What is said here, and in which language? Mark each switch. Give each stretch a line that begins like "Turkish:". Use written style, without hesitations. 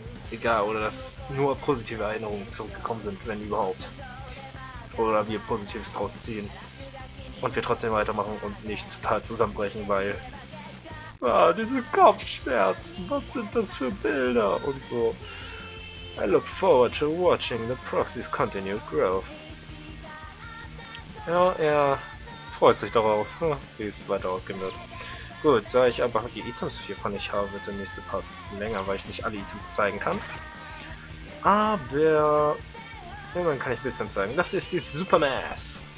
German: Egal, oder dass nur positive Erinnerungen zurückgekommen sind, wenn überhaupt. Oder wir Positives draus ziehen. Und wir trotzdem weitermachen und nicht total zusammenbrechen, weil... Ah, diese Kopfschmerzen, was sind das für Bilder? Und so.
English: I look forward to watching the proxy's continued growth.
German: Ja, er freut sich darauf, wie es weiter ausgehen wird. Gut, da ich aber die Items hiervon nicht habe, wird der nächste Part länger, weil ich nicht alle Items zeigen kann. Aber... Ja, dann kann ich ein bisschen zeigen. Das ist die Supermass.